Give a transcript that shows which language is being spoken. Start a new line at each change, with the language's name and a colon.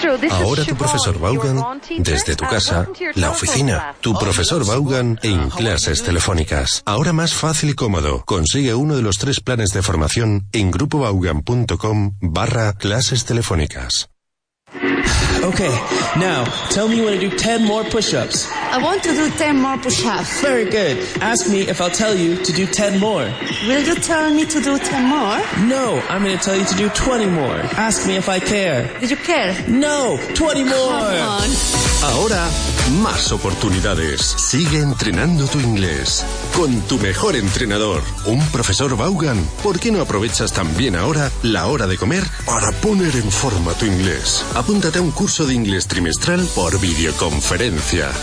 Spanish: Ahora tu profesor Vaughan desde tu casa, la oficina. Tu profesor Vaughan en clases telefónicas. Ahora más fácil y cómodo. Consigue uno de los 3 planes de formación en grupovaughan.com/clases telefónicas.
English: Okay, now tell me when to do 10 more push-ups. I want to do 10 more push-ups. Very good. Ask me if I'll tell you to do 10 more. Will you tell me to do 10 more? No, I'm going to tell you to do 20 more. Ask me if I care. Did you care? No, 20 more. Come on.
Spanish: Ahora, más oportunidades. Sigue entrenando tu inglés con tu mejor entrenador, un profesor Vaughan. ¿Por qué no aprovechas también ahora la hora de comer para poner en forma tu inglés? Apúntate a un curso de inglés trimestral por videoconferencia.